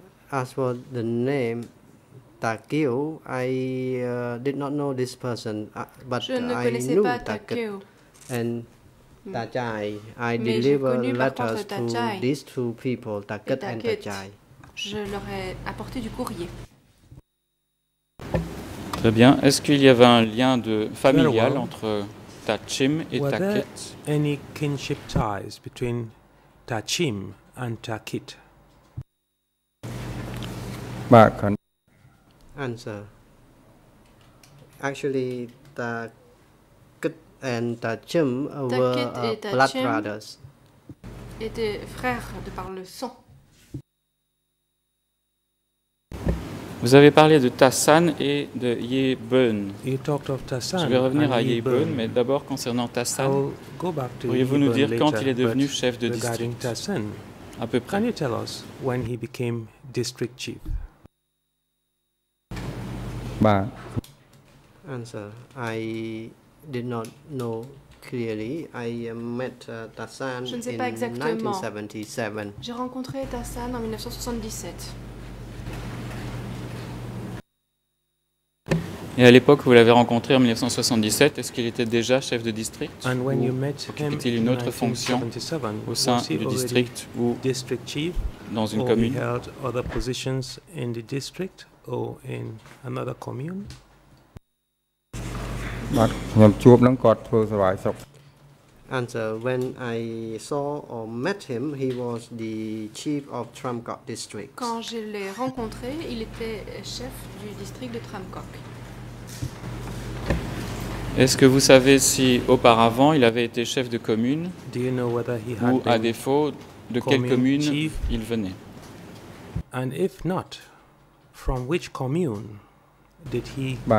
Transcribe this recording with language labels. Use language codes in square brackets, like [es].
[en] As for the name, Takio, I did not know this person, but I knew Takio and Tachai. I delivered letters to these two people, Takit and Tachai. [fr] Je leur ai apporté du courrier. Très bien. Est-ce qu'il y avait un lien de familial entre Tachim et Takit? [en] Were there any kinship ties between Tachim and Takit? Answer. Actually, Takit and Tachim were blood brothers. [fr] Étaient frères de par le sang. Vous avez parlé de Tasan et de Yai Buen. [en] You talked of Tasan. [fr] Je vais revenir à Yai Buen, mais d'abord concernant Tasan. Pourriez-vous nous dire quand il est devenu chef de district? Tasan, à peu près. [en] Can you tell us when he became district chief? Answer. I did not know clearly, I met Thasan in 1977. [fr] J'ai rencontré Thasan en 1977. Et à l'époque, vous l'avez rencontré en 1977, est-ce qu'il était déjà chef de district ou occupait-il une autre fonction au sein du district ou dans une commune? [en] Held other positions in the district or in another commune? Answer, when I saw or met him, he was the chief of Tramcock district. [fr] Quand je l'ai rencontré, il était chef du district de Tramcock. Est-ce que vous savez si auparavant il avait été chef de commune ou à défaut de quelle commune il venait? [en] And if not, from which commune did he